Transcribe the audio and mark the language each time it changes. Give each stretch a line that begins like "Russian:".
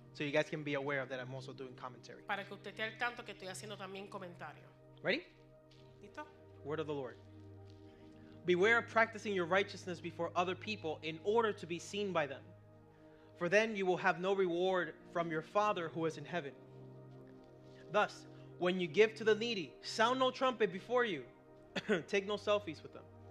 English: So you guys can be aware of that I'm also doing commentary.
Spanish: Para que usted esté al tanto que estoy haciendo también comentario.
English: Ready?
Spanish: ¿Listo?
English: Word of the Lord. Beware of practicing your righteousness before other people in order to be seen by them. For then you will have no reward from your Father who is in heaven. Thus, when you give to the needy, sound no trumpet before you. Take no selfies with them.